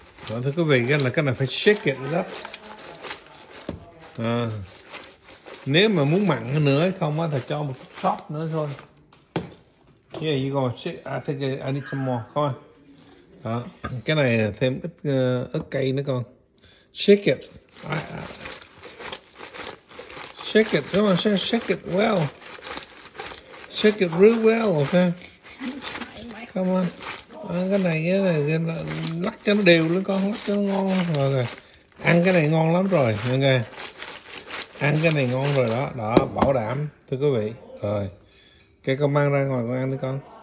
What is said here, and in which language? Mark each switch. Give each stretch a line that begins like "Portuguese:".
Vietnamese: Đó, thưa quý vị, cái này phải
English: shake it up.
Vietnamese: Nếu mà muốn mặn nữa hay không á, thì cho một chút sốt nữa thôi.
English: Yeah, you go check, I think I need some more, come on.
Vietnamese: Đó, cái này thêm ít ớt cay nữa con.
English: Shake it. Shake it, come on, shake it well. Shake it real well, okay? Come on.
Vietnamese: Cái này lắc cho nó đều lắm con, lắc cho nó ngon rồi kìa. Ăn cái này ngon lắm rồi, ok. Ăn cái này ngon rồi đó, đó, bảo đảm, thưa quý vị. Rồi, cái con mang ra ngoài con ăn đi con.